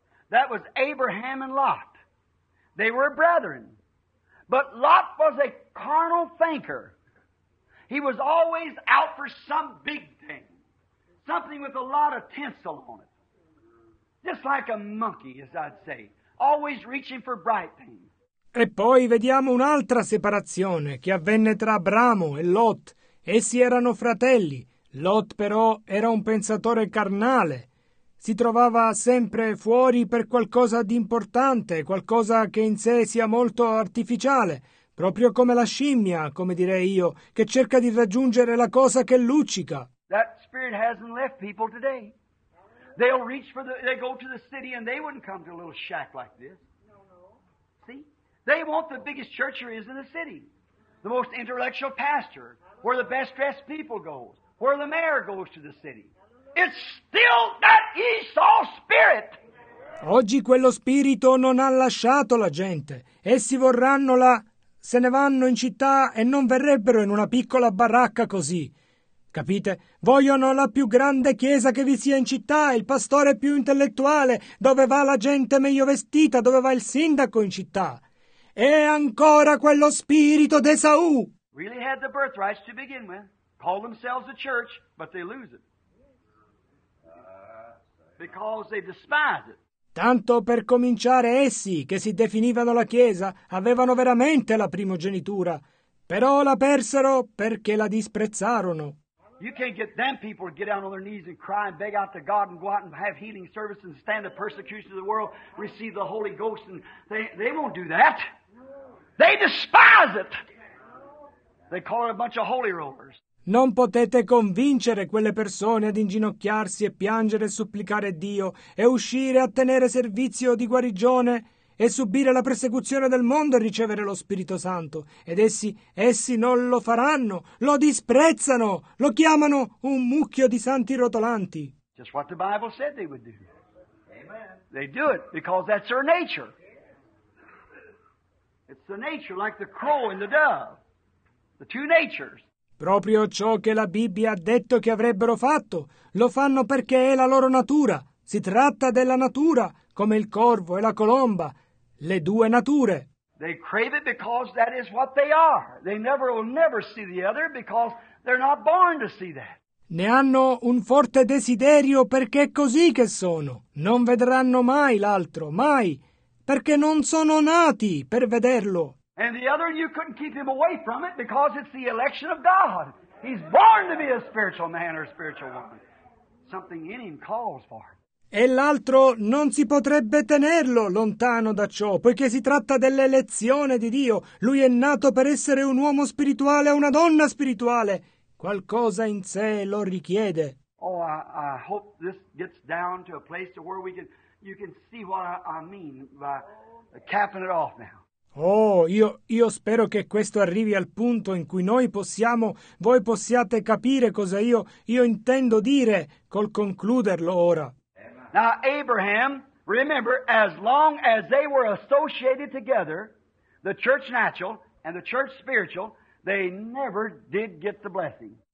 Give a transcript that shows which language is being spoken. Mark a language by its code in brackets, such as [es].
[en] That was Abraham and Lot. They were brethren. But Lot was a carnal thinker. He was always out for some big thing. Something with a lot of tinsel on it. Just like a monkey, as I'd say. Always reaching for bright things. [it] E poi vediamo un'altra separazione che avvenne tra Abramo e Lot. Essi erano fratelli. Lot, però, era un pensatore carnale. Si trovava sempre fuori per qualcosa di importante, qualcosa che in sé sia molto artificiale. Proprio come la scimmia, come direi io, che cerca di raggiungere la cosa che luccica. [en] That spirit hasn't left people today. They'll reach for the, they go to the city and they wouldn't come to a little shack like this. See? They want the biggest church there is in the city. The most intellectual pastor, where the best dressed people go, where the mayor goes to the city. It's still that Esau spirit. [it] Oggi quello spirito non ha lasciato la gente. Essi vorranno la... se ne vanno in città e non verrebbero in una piccola baracca così. Capite? Vogliono la più grande chiesa che vi sia in città, il pastore più intellettuale, dove va la gente meglio vestita, dove va il sindaco in città. E ancora quello spirito d'Esau. [en] Really had the birthright to begin with. Call themselves a church, but they lose it. Because they despise it. [it] Tanto per cominciare, essi, che si definivano la Chiesa, avevano veramente la primogenitura. Però la persero perché la disprezzarono. [en] You can't get them people to get down on their knees and cry and beg out to God and go out and have healing services and stand the persecution of the world, receive the Holy Ghost, and they won't do that. They despise it. They call it a bunch of holy rollers. [it] Non potete convincere quelle persone ad inginocchiarsi e piangere e supplicare Dio e uscire a tenere servizio di guarigione e subire la persecuzione del mondo e ricevere lo Spirito Santo. Ed essi non lo faranno, lo disprezzano, lo chiamano un mucchio di santi rotolanti. [en] Just what the Bible said they would do. Amen. They do it because that's their nature. It's the nature, like the crow and the dove. The two natures. [it] Proprio ciò che la Bibbia ha detto che avrebbero fatto, lo fanno perché è la loro natura. Si tratta della natura, come il corvo e la colomba, le due nature. [en] They crave it because that is what they are. They never will never see the other because they're not born to see that. [it] Ne hanno un forte desiderio perché è così che sono. Non vedranno mai l'altro, mai, perché non sono nati per vederlo. [en] And the other, you couldn't keep him away from it because it's the election of God. He's born to be a spiritual man or a spiritual woman. Something in him calls for it. [it] E l'altro non si potrebbe tenerlo lontano da ciò, poiché si tratta dell'elezione di Dio. Lui è nato per essere un uomo spirituale o una donna spirituale. Qualcosa in sé lo richiede. [en] Oh, I hope this gets down to a place to where we can, you can see what I mean by capping it off now. [it] Oh, io spero che questo arrivi al punto in cui voi possiate capire cosa io intendo dire col concluderlo ora. [en] Now, Abraham, remember, as long as they were associated together, the church natural and the church spiritual, they never did get the blessing.